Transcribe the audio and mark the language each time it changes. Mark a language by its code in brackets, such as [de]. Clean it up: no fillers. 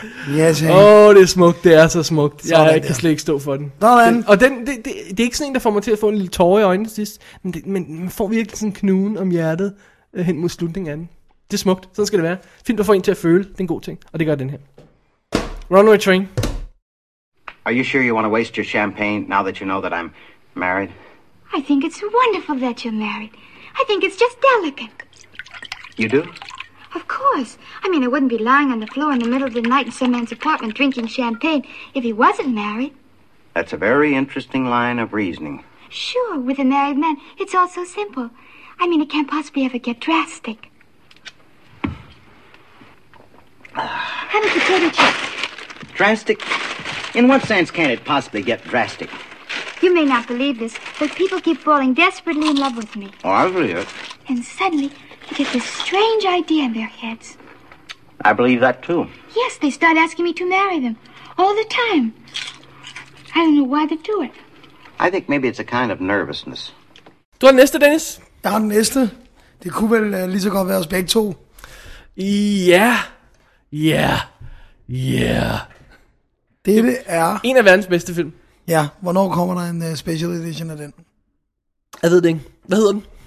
[en] Yes, hey. [da] Oh, det er smukt, det er så smukt. Sådan, jeg kan slet ikke stå for den. Sådan. Det er ikke sådan en, der får mig til at få en lille tårer i øjnene sidst, men man får virkelig sådan knuden om hjertet hen mod slutningen af den. Det er smukt, sådan skal det være. Fint at få en til at føle, det er en god ting. Og det gør den her. Runway Train. [en] Are you sure you want to waste your champagne now that you know that I'm married? I think it's wonderful that you're married. I think it's just delicate. You do? Of course. I mean, I wouldn't be lying on the floor in the middle of the night in some man's apartment drinking champagne if he wasn't married. That's a very interesting line of reasoning. Sure, with a married man, it's all so simple. I mean, it can't possibly ever get drastic. Have a potato chip. Drastic? In what sense can it possibly get drastic? You may not believe this, but people keep falling desperately in love with me. Oh, I believe it. And suddenly, they get this strange idea in their heads. I believe that, too. Yes, they start asking me to marry them. All the time. I don't know why they do it. I think maybe it's a kind of nervousness. [da] Du har den næste, Dennis? Jeg har den næste. Det kunne vel lige så godt være os begge to. Ja. Ja. Ja. Dette er... en af verdens bedste film. Ja. Hvornår kommer der en special edition af den? Jeg ved det ikke. Hvad hedder den?